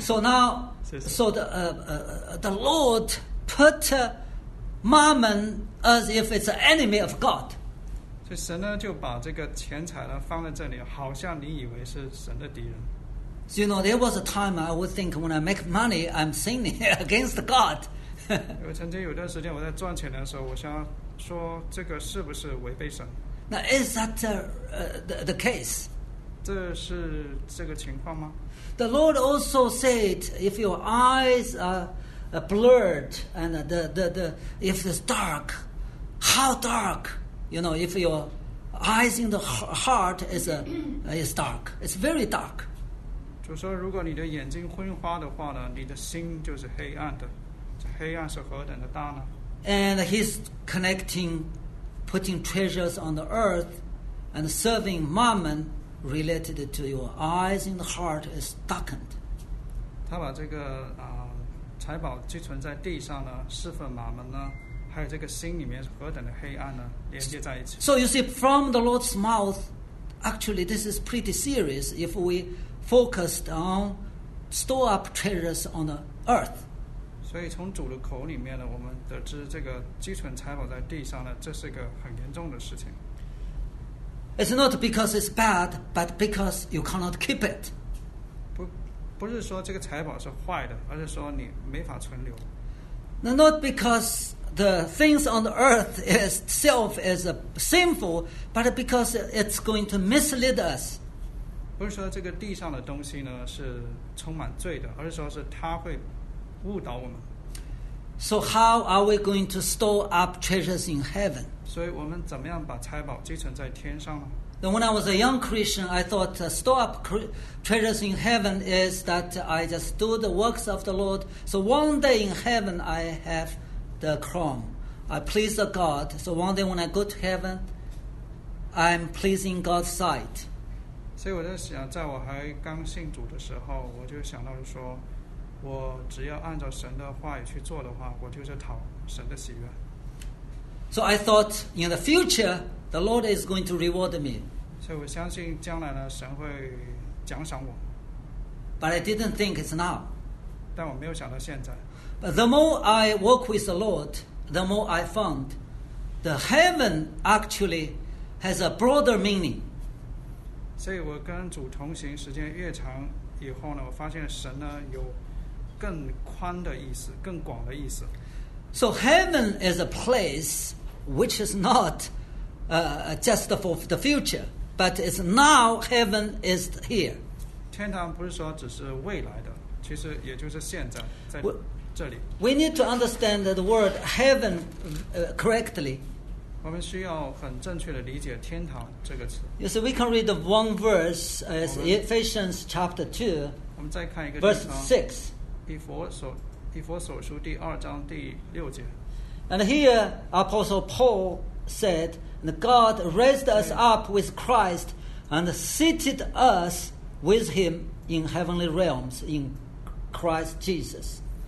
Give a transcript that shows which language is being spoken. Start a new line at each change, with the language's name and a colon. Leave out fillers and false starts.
English: So now, so the Lord put Mammon as if it's an enemy of God.
Chinese: 所以神呢就把这个钱财呢放在这里，好像你以为是神的敌人。
English: You know, there was a time I would think when I make money, I'm sinning against God.
Chinese: 我曾经有段时间我在赚钱的时候，我想说这个是不是违背神？
English: Now, is that the case?
Chinese: 这是这个情况吗？
English: The Lord also said, if your eyes are blurred and the if it's dark, how dark? You know, if your eyes in the heart is dark, it's very dark.
Chinese: 就说如果你的眼睛昏花的话呢，你的心就是黑暗的，这黑暗是何等的大呢？
English: And he's connecting putting treasures on the earth and serving mammon related to your eyes and heart is darkened.
Chinese: 他把这个财宝寄存在地上呢，侍奉马门呢，还有这个心里面是何等的黑暗呢，连接在一起。
English: So you see, from the Lord's mouth, actually this is pretty serious if we focused on store up treasures on the earth.
Chinese: 所以从主的口里面呢，我们得知这个积存财宝在地上呢，这是一个很严重的事情。
English: It's not because it's bad, but because you cannot keep it.
Chinese: 不是说这个财宝是坏的，而是说你没法存留。
English: Not because the things on the earth itself is sinful, but because it's going to mislead us.
Chinese: 不是说这个地上的东西呢是充满罪的，而是说是它会误导我们。
English: So how are we going to store up treasures in heaven?
Chinese: 所以我们怎么样把财宝积存在天上呢？
English: Then when I was a young Christian, I thought store up treasures in heaven is that I just do the works of the Lord. So one day in heaven, I have the crown. I please the God. So one day when I go to heaven, I'm pleasing God's sight.
Chinese: 所以我在想，在我还刚信主的时候，我就想到说，我只要按照神的话语去做的话，我就是讨神的喜悦。
English: So I thought in the future the Lord is going to reward me.
Chinese: 所以我相信将来呢，神会奖赏我。
English: But I didn't think it's now.
Chinese: 但我没有想到现在。
English: But the more I work with the Lord, the more I found the heaven actually has a broader meaning.
Chinese: 所以我跟主同行时间越长以后呢，我发现神呢有更宽的意思，更广的意思。
English: So heaven is a place which is not just for the future, but it's now heaven is here.
Chinese: 天堂不是说只是未来的，其实也就是现在，在这里。
English: We need to understand the word heaven correctly.
Chinese: 我们需要很正确的理解天堂这个词。
English: You see, we can read one verse as Ephesians chapter 2.
Chinese: 我们再看一个
English: verse 6.
Chinese: 以弗所书第二章第六节。
English: And here, Apostle Paul said, God raised us up with Christ and seated us with him in heavenly realms in Christ Jesus.